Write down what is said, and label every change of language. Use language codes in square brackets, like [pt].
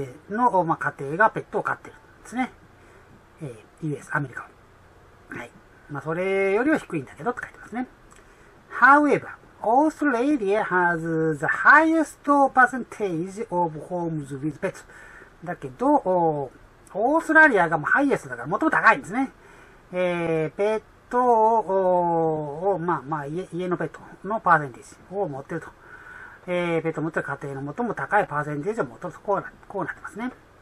[ja] の、まあ、家庭がペットを飼ってるんですね。US、アメリカは。はい。まあ、それよりは低いんだけどって書いてますね。 [en] However, Australia has the highest percentage of homes with pets. [ja] だけど、オーストラリアがもうハイエストだから、もっと高いんですね。ペットを、まあまあ、家のペットのパーセンテージを持ってると。ペット持ってる家庭の最も高いパーセンテージを持っていると、こうなってますね。